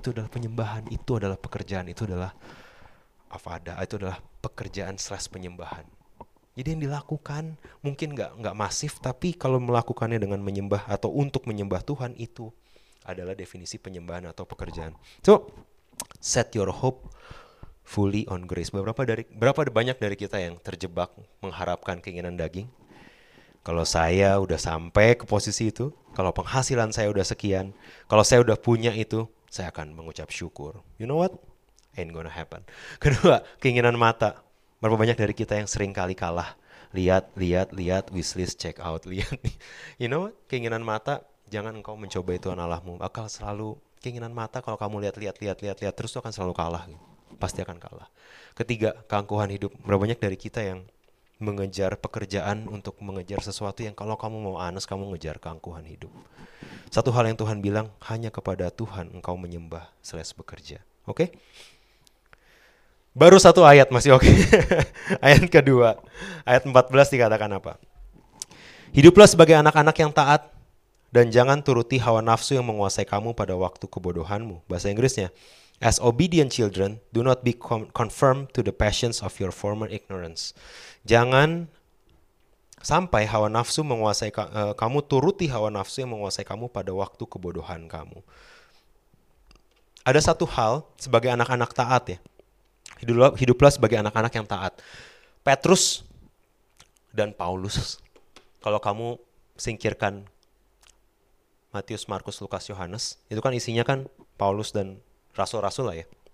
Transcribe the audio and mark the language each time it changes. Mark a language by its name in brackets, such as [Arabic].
[Indonesian] Itu adalah penyembahan, itu adalah pekerjaan, itu adalah afada, itu adalah pekerjaan slash penyembahan. Jadi yang dilakukan mungkin gak masif, tapi kalau melakukannya dengan menyembah atau untuk menyembah Tuhan, itu adalah definisi penyembahan atau pekerjaan. [English] So, set your hope fully on grace. [Indonesian] Berapa banyak dari kita yang terjebak mengharapkan keinginan daging? Kalau saya udah sampai ke posisi itu, kalau penghasilan saya udah sekian, kalau saya udah punya itu, saya akan mengucap syukur. [English] You know what? Ain't gonna happen. [Indonesian] Kedua, keinginan mata. Berapa banyak dari kita yang sering kali kalah? [English] Lihat, wishlist, check out, lihat. You know what? [Indonesian] Keinginan mata, jangan engkau mencobai Tuhan Allahmu. Akal selalu, keinginan mata kalau kamu lihat, terus tu akan selalu kalah. Pasti akan kalah. Ketiga, keangkuhan hidup. Berapa banyak dari kita yang mengejar pekerjaan untuk mengejar sesuatu yang kalau kamu mau anes, kamu ngejar keangkuhan hidup. Satu hal yang Tuhan bilang, hanya kepada Tuhan engkau menyembah selesai bekerja. Oke? Okay? Baru satu ayat masih oke. Ayat kedua. Ayat 14 dikatakan apa? Hiduplah sebagai anak-anak yang taat dan jangan turuti hawa nafsu yang menguasai kamu pada waktu kebodohanmu. Bahasa Inggrisnya, [English] as obedient children, do not be conformed to the passions of your former ignorance. [Indonesian] Jangan sampai hawa nafsu menguasai kamu, turuti hawa nafsu yang menguasai kamu pada waktu kebodohan kamu. Ada satu hal sebagai anak-anak taat ya. Hiduplah sebagai anak-anak yang taat. Petrus dan Paulus, kalau kamu singkirkan Matius, Markus, Lukas, Yohanes, itu kan isinya kan Paulus dan rasul-rasul lah ya.